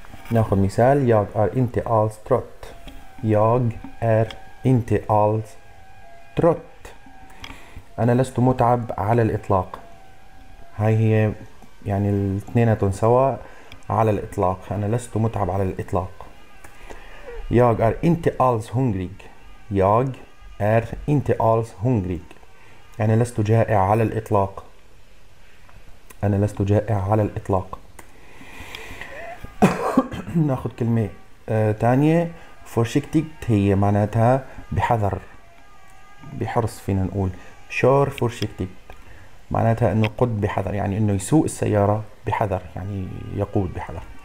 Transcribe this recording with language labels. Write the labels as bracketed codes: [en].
[ar] ناخذ مثال: [sv] ياغ ار انتقالز تروت. ياغ ار انتقالز تروت، [ar] أنا لست متعب على الإطلاق. هاي هي يعني الاثنيناتهم سوا على الإطلاق، أنا لست متعب على الإطلاق. [sv] Jag är inte alls hungrig. Jag är inte alls hungrig. [ar] أنا لست جائع على الإطلاق. أنا لست جائع على الإطلاق. نأخذ كلمة تانية: فورشيكتيكت، هي معناتها بحذر، بحرص. فينا نقول [sv] شور فورشيكتيكت، [ar] معناتها إنه قد بحذر، يعني إنه يسوق السيارة بحذر، يعني يقود بحذر.